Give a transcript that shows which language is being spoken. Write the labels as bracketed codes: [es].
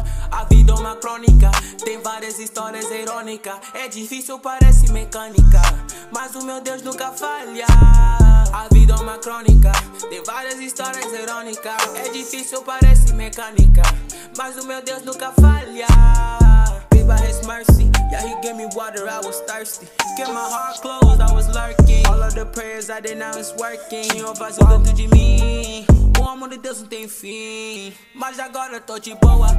[pt] A vida é uma crônica, tem várias histórias irônicas. É difícil, parece mecânica, mas o meu Deus nunca falha. A vida é uma crônica, tem várias histórias irônicas. É difícil, parece mecânica, mas o meu Deus nunca falha. [en] By his mercy, yeah, he gave me water, I was thirsty. Get my heart closed, I was lurking. All of the prayers I did, now it's working. [pt] Tinha um vazio dentro de mim. O amor de Deus não tem fim, mas agora tô de boa.